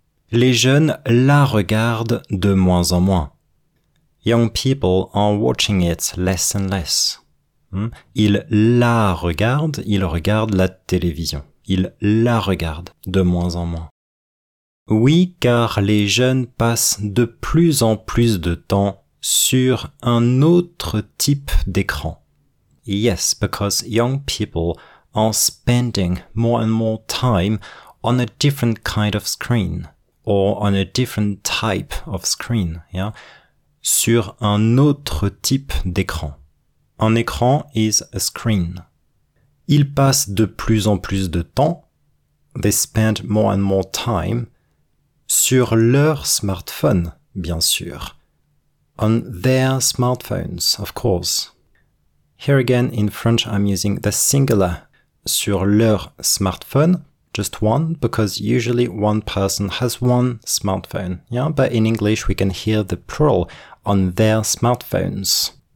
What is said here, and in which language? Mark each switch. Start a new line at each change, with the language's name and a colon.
French: Les jeunes la regardent de moins en moins.
English: Young people are watching it less and less.
French: Ils la regardent, ils regardent la télévision. Ils la regardent de moins en moins. Oui, car les jeunes passent de plus en plus de temps sur un autre type d'écran.
English: Yes, because young people are spending more and more time on a different kind of screen or on a different type of screen, yeah?
French: Sur un autre type d'écran. Un écran
English: is a screen.
French: Ils passent de plus en plus de temps,
English: they spend more and more time,
French: sur leur smartphone, bien sûr.
English: On their smartphones, of course. Here again, in French, I'm using the singular,
French: sur leur smartphone,
English: just one, because usually one person has one smartphone. Yeah, but in English, we can hear the plural, on their smartphones.